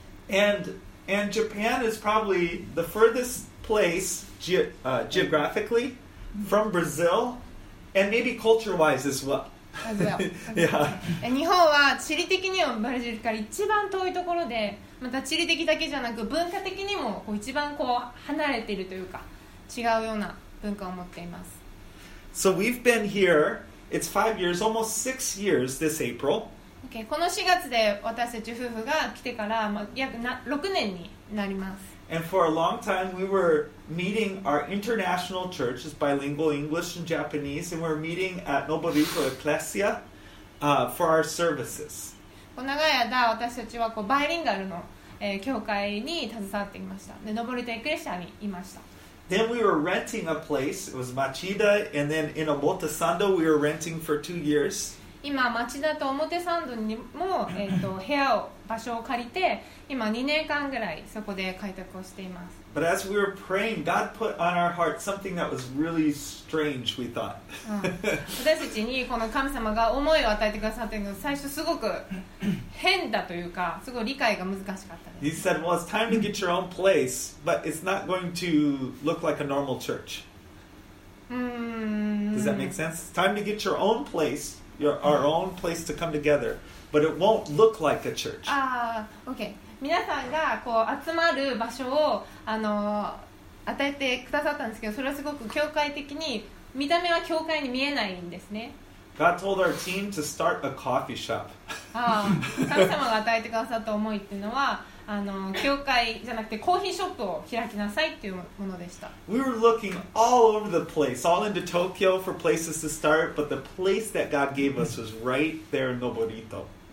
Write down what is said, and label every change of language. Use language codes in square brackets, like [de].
[en] And Japan is probably the furthest place geographically from Brazil, and maybe culture-wise as well. yeah. [ja] 日本は地理的にはブラジルから一番遠いところで、また地理的だけじゃなく文化的にもこう一番こう離れているというか違うような文化を持っています。 [en] So we've been here. It's 5 years, almost 6 years this April. Okay. [ja] この4月で私たち夫婦が来てから、約6年になります。 [en] And for a long time, we were meeting our international church, it's bilingual, English and Japanese, and we're meeting at Noboruko Ecclesia, for our services. [ja] 長い間、私たちはこうバイリンガルの、教会に携わっていました。で、ノボルトエクレシアにいました。 [en] Then we were renting a place. It was Machida, and then in Omotesando, we were renting for 2 years. [ja] 今町田と表参道にも、部屋を場所を借りて今2年間ぐらいそこで開拓をしています。 [en] But as we were praying, God put on our heart something that was really strange, we thought. 私たちにこの神様が思いを与えてくださっているのが最初すごく変だというかすごい理解が難しかったです。 He said, well, it's time to get your own place, but it's not going to look like a normal church. Does that make sense? It's time to get your own placeOur own place to come together, but it won't look like a church. Ah, okay. [ja] 皆さんがこう集まる場所を与えてくださったんですけど、それはすごく教会的に見た目は教会に見えないんですね。 [en] God told our team to start a coffee shop. [ja] Ah, 神様が与えてくださった思いっていうのは教会じゃなくてコーヒーショップを開きなさいっていうものでした。 [en] We were looking all over the place, all into Tokyo for places to start, but the place that God gave us was right there in Noborito.